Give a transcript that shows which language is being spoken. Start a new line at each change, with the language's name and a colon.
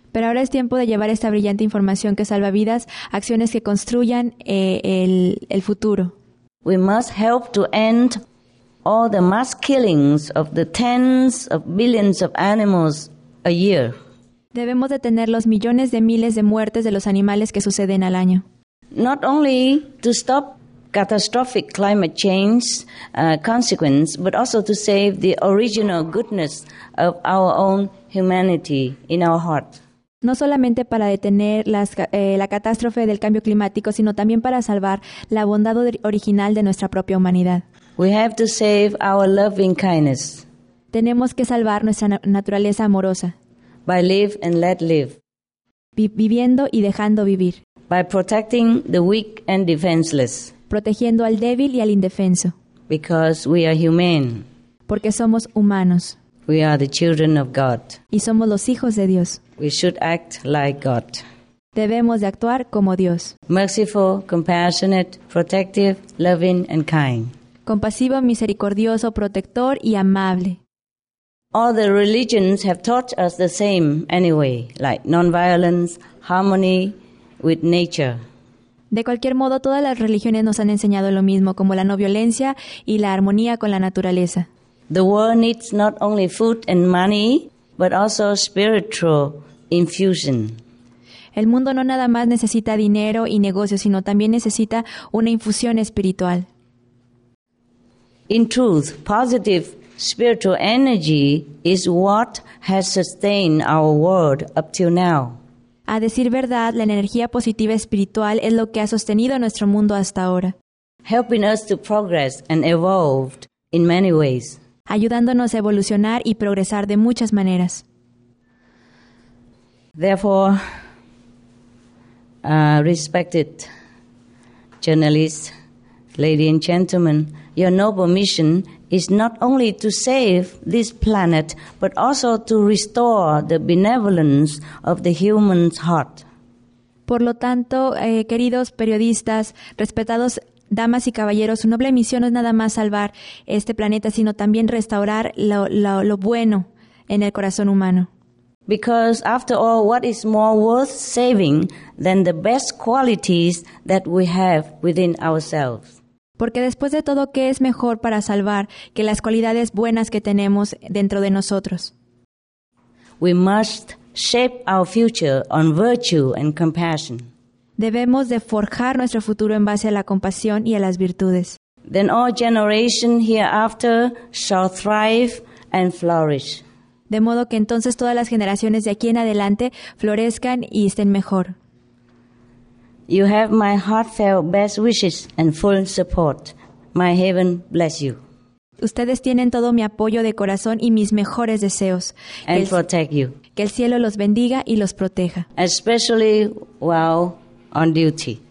Spanish: Pero ahora es tiempo de llevar esta brillante información que salva vidas, acciones que construyan el futuro.
English: We must help to end all the mass killings of the tens of billions of animals a year.
Spanish: Debemos detener los millones de miles de muertes de los animales que suceden al año.
English: Not only to stop catastrophic climate change consequence, but also to save the original goodness of our own humanity in our heart.
Spanish: No solamente para detener la catástrofe del cambio climático, sino también para salvar la bondad original de nuestra propia humanidad.
English: We have to save our loving kindness.
Spanish: Tenemos que salvar nuestra naturaleza amorosa.
English: By live and let live.
Spanish: Viviendo y dejando vivir.
English: By protecting the weak and defenseless.
Spanish: Protegiendo al débil y al indefenso.
English: Because we are human.
Spanish: Porque somos humanos.
English: We are the children of God.
Spanish: Y somos los hijos de Dios.
English: We should act like God.
Spanish: Debemos de actuar como Dios.
English: Merciful, compassionate, protective, loving and kind.
Spanish: Compasivo, misericordioso, protector y amable.
English: All the religions have taught us the same anyway, like non-violence, harmony with nature.
Spanish: De cualquier modo, todas las religiones nos han enseñado lo mismo, como la no violencia y la armonía con la naturaleza.
English: The world needs not only food and money, but also spiritual infusion.
Spanish: El mundo no nada más necesita dinero y negocios, sino también necesita una infusión espiritual.
English: In truth, positive Spiritual energy is what has sustained our world up till now.
Spanish: A decir verdad, la energía positiva espiritual es lo que ha sostenido nuestro mundo hasta ahora.
English: Helping us to progress and evolve in many ways.
Spanish: Ayudándonos a evolucionar y progresar de muchas maneras.
English: Therefore, respected journalists, ladies and gentlemen, your noble mission is not only to save this planet, but also to restore the benevolence of the human heart.
Spanish: Por lo tanto, queridos periodistas, respetados damas y caballeros, su noble misión no es nada más salvar este planeta, sino también restaurar lo bueno en el corazón humano.
English: Because after all, what is more worth saving than the best qualities that we have within ourselves?
Spanish: Porque después de todo, ¿qué es mejor para salvar que las cualidades buenas que tenemos dentro de nosotros?
English: We must shape our future on virtue and compassion.
Spanish: Debemos de forjar nuestro futuro en base a la compasión y a las virtudes.
English: Then all generation hereafter shall thrive and flourish.
Spanish: De modo que entonces todas las generaciones de aquí en adelante florezcan y estén mejor.
English: You have my heartfelt best wishes and full support. My heaven bless you.
Spanish: Ustedes tienen todo mi apoyo de corazón y mis mejores deseos.
English: And protect you.
Spanish: Que el cielo los bendiga y los proteja.
English: Especially while on duty.